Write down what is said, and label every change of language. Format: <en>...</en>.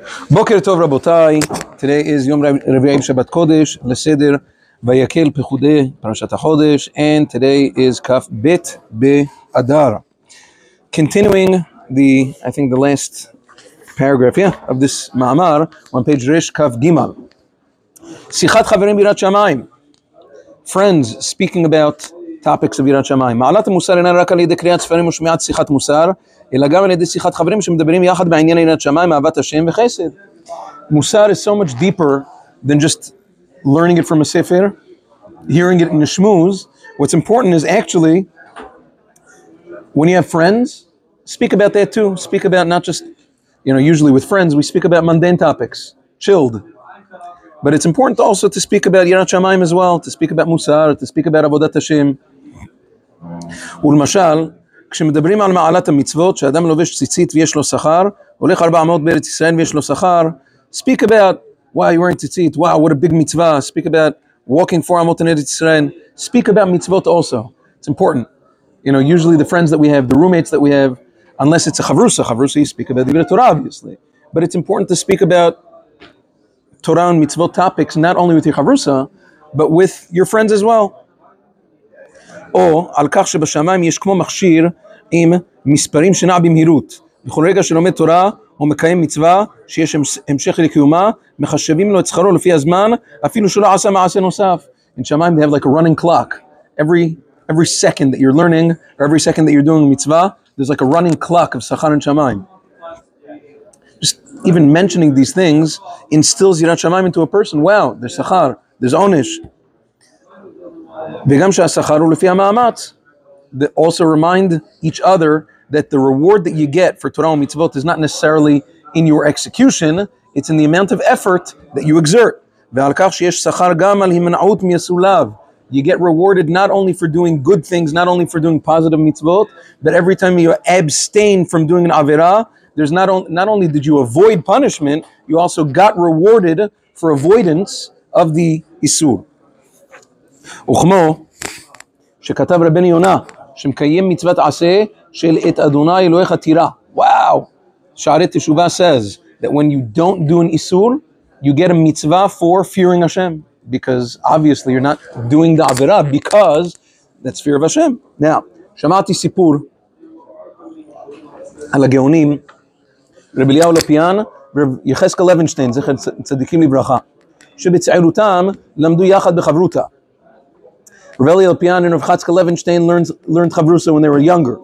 <he>בוקר טוב רבותיי,</he> <en>today is</en> <he>יום רביעי שבת קודש, לסדר ויקל פחודי פרשת החודש,</he> <en>and today is</en> <he>כף בית באדר.</he> <en>Continuing the, I think the last paragraph, yeah, of this מאמר, on page רש כף גימל.</en> <he>שיחת חברים בירת שמיים,</he> <en>friends speaking about topics of</en> <he>יראת שמיים. מעלת המוסר אינה רק על ידי קריאת ספרים ושמיעת שיחת מוסר, אלא גם על ידי שיחת חברים שמדברים יחד בעניין יראת שמיים, אהבת השם וחסד.</he> <en>מוסר is so much deeper than just learning it from a sefer, hearing it in a shmuz. What's important is actually, when you have friends, speak about that too. Speak about not just, you know, usually with friends, we speak about mundane topics, chilled. But it's important also to speak about יראת שמיים as well, to speak about מוסר, to speak about עבודת השם.</en> <he>ולמשל, כשמדברים על מעלת המצוות, שאדם לובש ציצית ויש לו שכר, הולך 400 בארץ ישראל ויש לו שכר,</he> <en>speak about, wow, you're wearing ציצית, wow, what a big מצווה, speak about walking 400 in ארץ ישראל, speak about מצוות also. It's important. You know, usually the friends that we have, the roommates that we have, unless it's a חברוסה, you speak about דברי תורה, obviously. But it's important to speak about Torah and mitzvot topics, not only with your chavrusa, but with your friends as well.</en> <he>או על כך שבשמיים יש כמו מכשיר עם מספרים שנע במהירות. בכל רגע שלומד תורה או מקיים מצווה שיש המשך לקיומה, מחשבים לו את שכרו לפי הזמן, אפילו שלא עשה מעשה נוסף.</he> <en>In Shemaim, they have like a running clock. Every second that you're learning, or every second that you're doing mitzvah, there's like a running clock of שכר in Shemaim. Even mentioning these things instills yirat shamayim into a person. Wow, there's sachar, there's onish.</en> <he>וגם שהשכר הוא לפי המאמץ.</he> <en>They also remind each other that the reward that you get for Torah ומצוות is not necessarily in your execution, it's in the amount of effort that you exert.</en> <he>ועל כך שיש שכר גם על הימנעות מיסוליו.</he> <en>You get rewarded not only for doing good things, not only for doing positive mitzvot, but every time you abstain from doing an avera, there's not only did you avoid punishment, you also got rewarded for avoidance of the isur.</en> <he>וכמו שכתב רבן יונה, שמקיים מצוות עשה של את אדוני אלוהיך תירא.</he> <en>Wow! שערי תשובה says that when you don't do an isur, you get a mitzvah for fearing Hashem. Because obviously you're not doing the avera because that's fear of Hashem.</en> <he>Now, שמעתי סיפור על הגאונים, רבי אליהו לפיאן ורבי יחזקאל לוינשטיין, זכר צדיקים לברכה, שבצעירותם למדו יחד בחברותה.</he> <en>רבי אליהו לפיאן ורבי יחזקאל לוינשטיין learned חברוסה when they were younger.</en>